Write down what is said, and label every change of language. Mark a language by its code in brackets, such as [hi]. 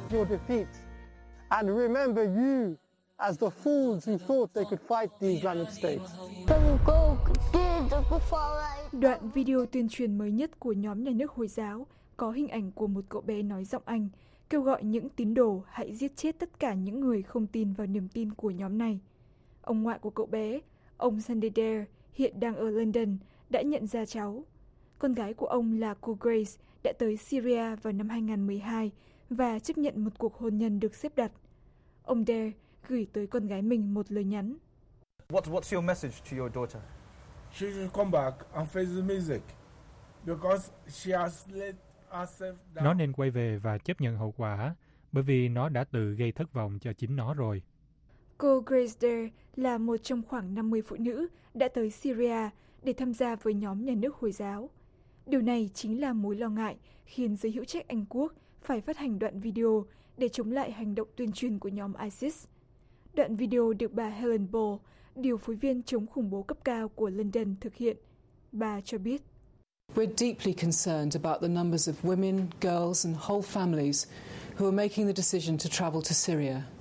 [en] Defeat and remember you as the fools who thought they could fight the Islamic State. [vi] Đoạn video tuyên truyền mới nhất của nhóm nhà nước Hồi giáo có hình ảnh của một cậu bé nói giọng Anh kêu gọi những tín đồ hãy giết chết tất cả những người không tin vào niềm tin của nhóm này. Ông ngoại của cậu bé, ông Sunday Dare, hiện đang ở London, đã nhận ra cháu. Con gái của ông là cô Grace đã tới Syria vào năm 2012 và chấp nhận một cuộc hôn nhân được xếp đặt. Ông Dare gửi tới con gái mình một lời nhắn. [en] What's your message to your daughter? She should come back and face the music because she has let herself down. [vi] Nó nên quay về và chấp nhận hậu quả bởi vì nó đã tự gây thất vọng cho chính nó rồi. Cô Grace Dare là một trong khoảng 50 phụ nữ đã tới Syria để tham gia với nhóm nhà nước Hồi giáo. Điều này chính là mối lo ngại khiến giới hữu trách Anh Quốc phải phát hành đoạn video để chống lại hành động tuyên truyền của nhóm ISIS. Đoạn video được bà Helen Ball, điều phối viên chống khủng bố cấp cao của London thực hiện. Bà cho biết: [en] We're deeply concerned about the numbers of women, girls and whole families who are making the decision to travel to Syria.